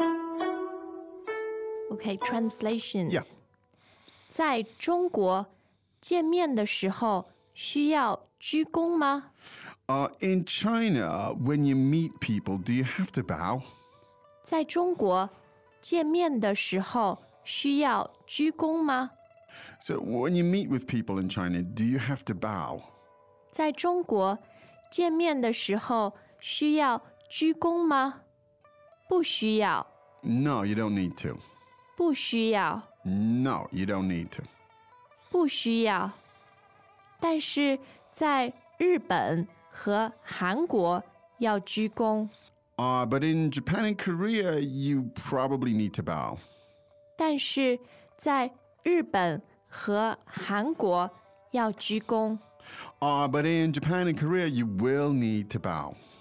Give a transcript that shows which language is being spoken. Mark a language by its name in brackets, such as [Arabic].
[Chinese] 但是在日本和韩国要鞠躬。在中国握手就可以了。太好了。是啊，不需要一直鞠躬。Okay, [English] translations. Yeah. [Chinese] 在中国见面的时候需要鞠躬吗? [English] In China, when you meet people, do you have to bow? [Chinese] 在中国 见面的时候需要鞠躬吗? [English] So when you meet with people in China, do you have to bow? [Chinese] 在中国见面的时候需要鞠躬吗? 不需要. [English] No, you don't need to. [Chinese] 不需要. [English] No, you don't need to. [Chinese] 不需要. 但是在日本和韩国要鞠躬。 [English] But in Japan and Korea, you probably need to bow. [Chinese] 但是在日本和韩国要鞠躬。 [English] But in Japan and Korea, you will need to bow.